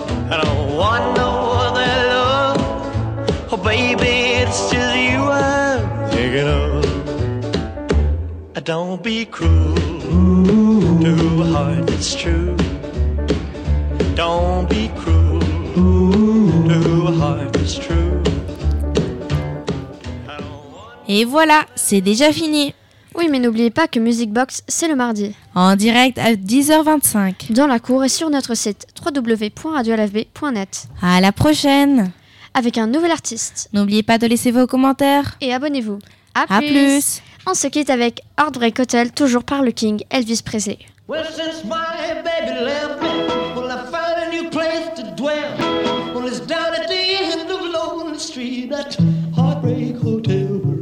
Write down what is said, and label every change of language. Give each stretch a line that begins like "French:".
English: I don't want no other love. Oh, baby, it's just you I'm thinking of. Don't be cruel to who heart is true. Don't be cruel to who heart is true.
French: Et voilà, c'est déjà fini. Oui, mais n'oubliez pas que Music Box, c'est le mardi. En direct à 10h25. Dans la cour et sur notre site www.radioalfb.net. À la prochaine. Avec un nouvel artiste. N'oubliez pas de laisser vos commentaires. Et abonnez-vous. À plus. On se quitte avec Heartbreak Hotel, toujours par le King Elvis Presley.
English: Well, since my baby left me, well, I found a new place to dwell. Well, it's down at the end of Lonely Street, that Heartbreak Hotel.